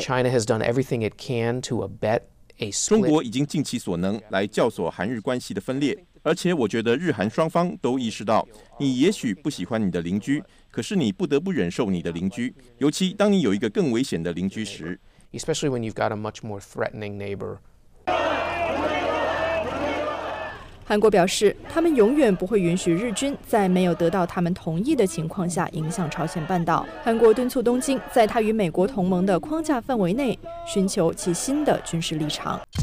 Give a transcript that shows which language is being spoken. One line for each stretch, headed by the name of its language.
English: China has done everything it can to abet a split.
Chinese: 中国已经尽其所能来教唆韩日关系的分裂，而且我觉得日韩双方都意识到，你也许不喜欢你的邻居，可是你不得不忍受你的邻居，尤其当你有一个更危险的邻居时。
English: Especially when you've got a much more threatening neighbor.
Chinese: 韩国表示，他们永远不会允许日军在没有得到他们同意的情况下影响朝鲜半岛。韩国敦促东京在他与美国同盟的框架范围内寻求其新的军事立场。